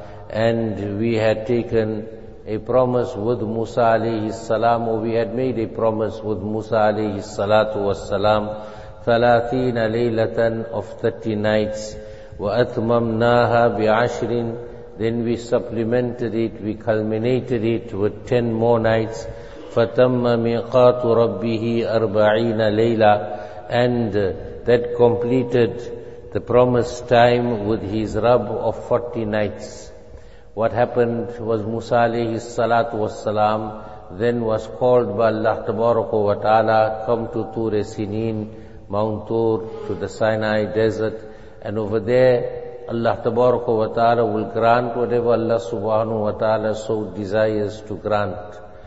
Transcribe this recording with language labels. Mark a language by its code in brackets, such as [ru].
[en] And we had taken a promise with Musa alayhi salam, or we had made a promise with Musa alayhi salatu wassalam, 30 laylatan of 30 nights, [ar] وَأَثْمَمْنَاهَا بِعَشْرٍ. [en] Then we supplemented it, we culminated it with 10 more nights. [ar] فَتَمَّ مِقَاتُ رَبِّهِ 40 laylatan. [en] And that completed the promised time with his Rabb of 40 nights. What happened was Musa alayhi salatu wassalam then was called by Allah tabaraka wa ta'ala, come to Tur Sinin, Mount Tur, to the Sinai desert, and over there Allah tabaraka wa ta'ala will grant whatever Allah subhanahu wa ta'ala so desires to grant.